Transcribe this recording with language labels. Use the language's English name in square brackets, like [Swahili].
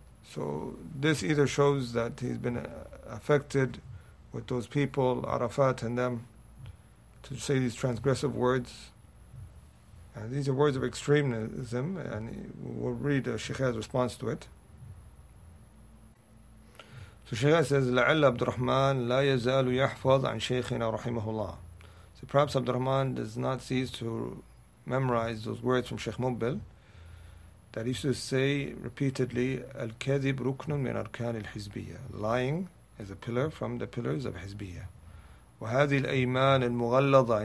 [English] So this either shows that he's been affected with those people, Arafat and them, to say these transgressive words. And these are words of extremism, and we'll read Sheikh's response to it. So Sheikh says, [Arabic] لَعَلَّ عَبْدُ الرَّحْمَنِ لَا يَزَالُ يَحْفَظْ عَنْ شَيْخِنَا رَحِمَهُ اللَّهِ. [English] So perhaps Abdul Rahman does not cease to memorize those words from Sheikh Mubil, that he used to say repeatedly, [Arabic] الْكَذِبْ رُكْنٌ مِنْ أَرْكَانِ الْحِزْبِيَّةِ. [English] Lying is a pillar from the pillars of Hizbiyyah. [Arabic] وَهَذِي الْأَيْمَانِ الْمُغَلَّضَةِ.